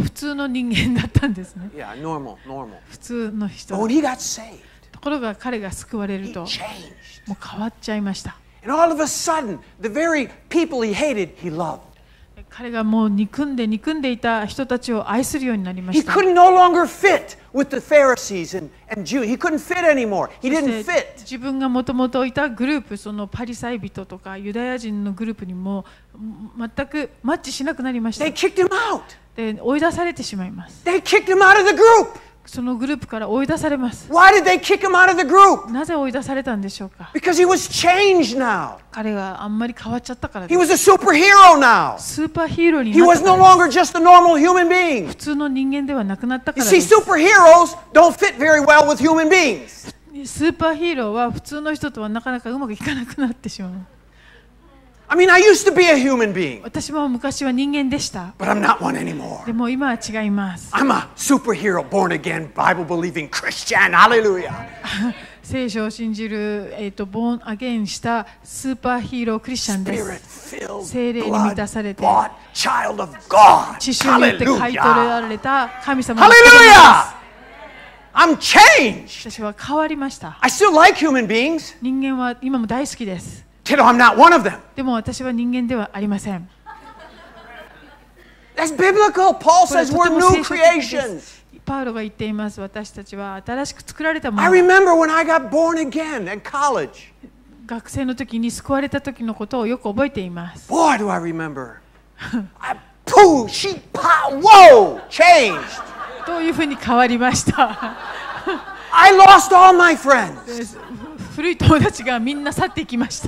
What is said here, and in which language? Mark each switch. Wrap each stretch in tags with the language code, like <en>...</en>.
<ja>普通の人間だったんですね。</ja> <en>Yeah, normal, normal.</en> <ja>普通の人。</ja> <en>But he got saved.</en> <ja>ところが彼が救われると、</ja> <en>he changed.</en> <ja>もう変わっちゃいました。</ja> <en>And all of a sudden, the very people he hated, he loved.</en> <ja>彼がもう憎んでいた人たちを愛するようになりました。</ja> <en>He couldn't no longer fit with the Pharisees and Jews. He couldn't fit anymore. He didn't fit.</en> <ja>自分がもともといたグループ、そのパリサイ人とかユダヤ人のグループにも全くマッチしなくなりました。</ja> <en>They kicked him out.</en> <ja>で、追い出されてしまいます。</ja> <en>They kicked him out of the group.</en> <ja>そのグループから追い出されます。</ja> <en>Why did they kick him out of the group?</en> <ja>なぜ追い出されたんでしょうか。</ja> <en>Because he was changed now.</en> <ja>彼があんまり変わっちゃったからです。</ja> <en>He was a superhero now.</en> <ja>スーパーヒーローになったからです。</ja> <en>He was no longer just a normal human being.</en> <ja>普通の人間ではなくなったからです。</ja> <en>You see, superheroes don't fit very well with human beings.</en> <ja>スーパーヒーローは普通の人とはなかなかうまくいかなくなってしまう。</ja> <en>I mean, I used to be a human being.</en> <ja>私も昔は人間でした。</ja> <en>But I'm not one anymore.</en> <ja>でも今は違います。</ja> <en>I'm a superhero, born again, Bible believing Christian. Hallelujah.</en> <ja>聖書を信じる、</ja> <en>born again</en> <ja>したスーパーヒーロークリスチャンです。</ja> <en>Spirit filled,</en> <ja>聖霊に満たされて、</ja> <en>bought, child of God.</en> <ja>血潮によって買い取られた神様。</ja> <en>Hallelujah. I'm changed.</en> <ja>私は変わりました。</ja> <en>I still like human beings.</en> <ja>人間は今も大好きです。</ja> <en>I'm not one of them.</en> <ja>でも私は人間ではありません。</ja> <en>That's biblical. Paul says we're new creations.</en> <ja>パウロが言っています。私たちは新しく作られたもの。</ja> <en>I remember when I got born again in college.</en> <ja>学生の時に救われた時のことをよく覚えています。</ja> <en>Boy, do I remember. I poo, she pow, whoa, changed.</en> <ja>どういうふうに変わりました。</ja> <en>I lost all my friends.</en> <ja>古い友達がみんな去っていきました。</ja>